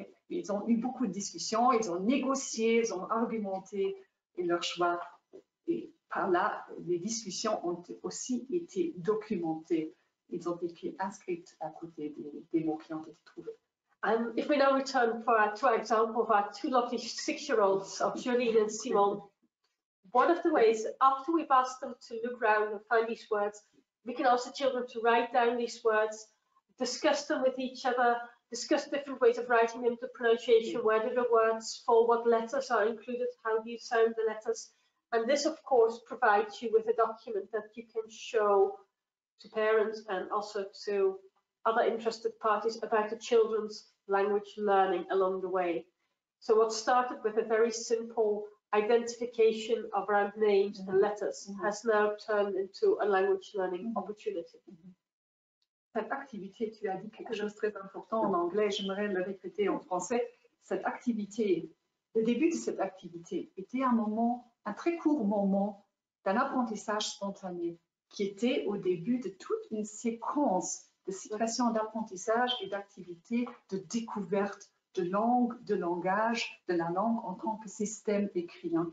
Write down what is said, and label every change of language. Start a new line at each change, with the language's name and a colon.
French: Ils ont eu beaucoup de discussions, ils ont négocié, ils ont argumenté leur choix. Et par là, les discussions ont aussi été documentées. Ils ont été inscrits à côté des mots qui ont été trouvés.
English: And if we now return for our two examples of our two lovely six-year-olds of Jolene and Simon, one of the ways, after we've asked them to look around and find these words, we can ask the children to write down these words, discuss them with each other, discuss different ways of writing them, the pronunciation, where do the words fall, what letters are included, how do you sound the letters. And this, of course, provides you with a document that you can show to parents and also to other interested parties about the children's language learning along the way. So what started with a very simple identification of around names and letters has now turned into a language learning opportunity.
French: Cette activité, tu as dit quelque chose de très important en anglais, j'aimerais le répéter en français. Cette activité, le début de cette activité était un moment, un très court moment d'un apprentissage spontané qui était au début de toute une séquence de situations d'apprentissage et d'activités de découverte de langue, de langage, de la langue en tant que système écrit.